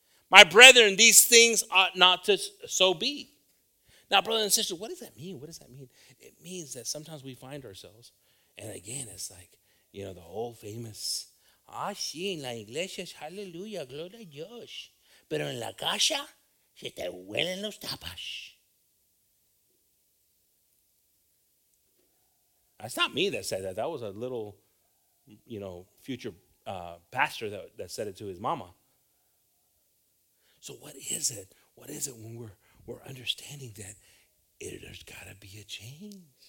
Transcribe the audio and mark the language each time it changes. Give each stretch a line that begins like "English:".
English: My brethren, these things ought not to so be. Now, brothers and sisters, what does that mean? It means that sometimes we find ourselves, and again, it's like, you know, the whole famous,
Spanish: sí, en la iglesia es aleluya, gloria a Dios. Pero en la casa, se te huelen los tapas.
English: That's not me that said that. That was a little, you know, future pastor that said it to his mama. So what is it? What is it when we're understanding that there's got to be a change?